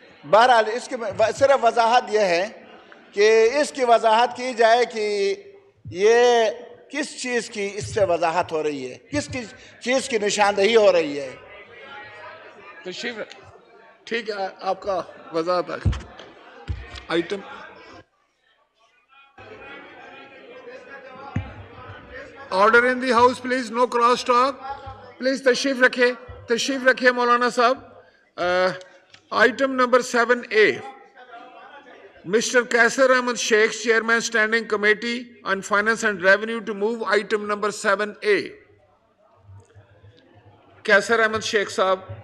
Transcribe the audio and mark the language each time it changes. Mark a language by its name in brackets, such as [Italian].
[Urdu] بہرحال اس کی صرف وضاحت یہ ہے کہ اس کی وضاحت کی جائے کہ یہ کس چیز کی اس سے وضاحت ہو رہی ہے, کس کی چیز کی نشاندہی ہو رہی ہے. تشریف ٹھیک ہے آپ کا وضاحت item. [English] Order in the house please, no cross talk please. [Urdu] تشریف رکھے, تشریف رکھے مولانا صاحب. [English] Item number 7A, mister Qaiser Ahmed Shaikh chairman standing committee on finance and revenue to move item number 7A. [Urdu] قیصر احمد شیخ صاحب.